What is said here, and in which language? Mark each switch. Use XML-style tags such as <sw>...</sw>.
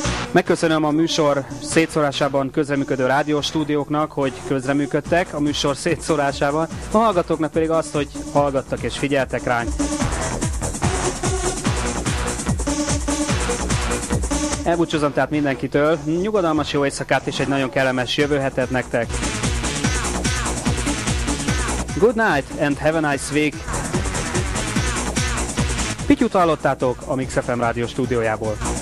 <hu>Megköszönöm a műsor szétszórásában közreműködő rádióstúdióknak, hogy közreműködtek a műsor szétszórásában, a hallgatóknak pedig azt, hogy hallgattak és figyeltek ránk. Elbúcsúzom tehát mindenkitől, nyugodalmas jó éjszakát és egy nagyon kellemes jövő hetet nektek.</hu> <en>Good night and have a nice week!</en> <hu>Pityut hallottátok a Mix FM rádió stúdiójából.</hu>